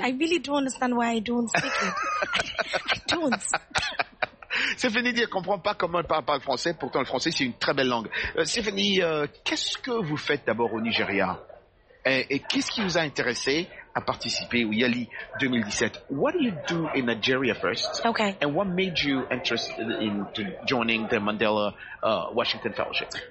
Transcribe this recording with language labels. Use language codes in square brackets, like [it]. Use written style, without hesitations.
[en] I really don't understand why I don't speak it. I don't. [fr] Stéphanie dit, elle comprend pas comment elle parle français, pourtant le français c'est une très belle langue. Stéphanie, qu'est-ce que vous faites d'abord au Nigeria? Et qu'est-ce qui vous a intéressé à participer au Yali 2017? [en] What do you do in Nigeria first? Okay. And what made you interested in joining the Mandela Washington Fellowship?